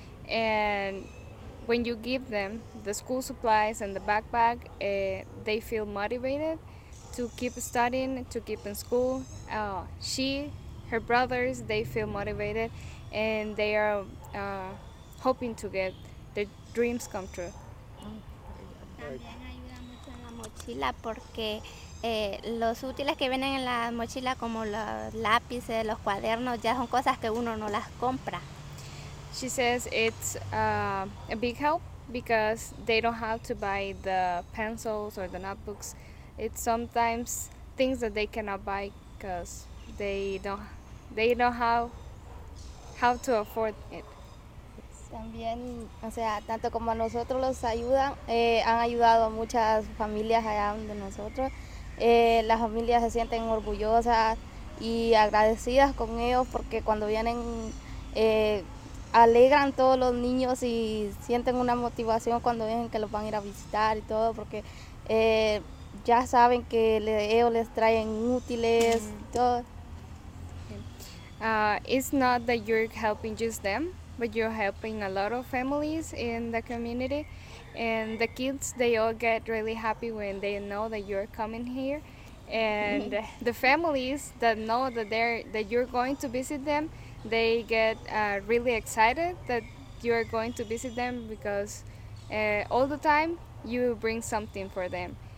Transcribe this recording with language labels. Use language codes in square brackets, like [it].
[en] And when you give them the school supplies and the backpack, they feel motivated to keep studying, to keep in school. Her brothers, they feel motivated and they are hoping to get their dreams come true. [es] También ayuda mucho en la mochila porque los útiles que vienen en la mochila, como los lápices, los cuadernos, ya son cosas que uno no las compra. [en] She says it's a big help because they don't have to buy the pencils or the notebooks. It's sometimes things that they cannot buy because they don't know how to afford it. [es] También, o sea, tanto como a nosotros los ayudan, han ayudado a muchas familias allá donde nosotros. Las familias se sienten orgullosas y agradecidas con ellos porque cuando vienen alegran todos los niños y sienten una motivación cuando ven que los van a ir a visitar y todo, porque ya saben que ellos les traen útiles y todo. [en] It's not that you're helping just them, but you're helping a lot of families in the community. And the kids, they all get really happy when they know that you're coming here. And the families that know that you're going to visit them, they get really excited that you're going to visit them, because all the time you bring something for them.